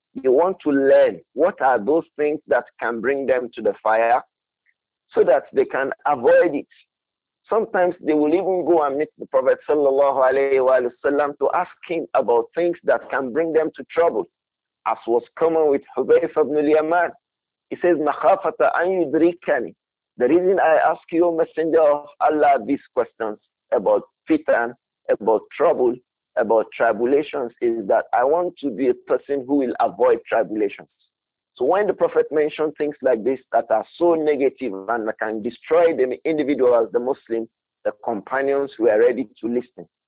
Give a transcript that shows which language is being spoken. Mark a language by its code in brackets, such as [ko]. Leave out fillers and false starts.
[en] They want to learn what are those things that can bring them to the fire so that they can avoid it. Sometimes they will even go and meet the Prophet sallallahu alayhi wa sallam to ask him about things that can bring them to trouble, as was common with Hubayf ibn al-Yaman. [ar] He says, مَخَافَةَ أَن يُدْرِكَنِي. [en] The reason I ask you, Messenger of Allah, these questions about fitan, about trouble, about tribulations, is that I want to be a person who will avoid tribulations. So when the Prophet mentioned things like this that are so negative and that can destroy the individual as the Muslim, the companions were ready to listen.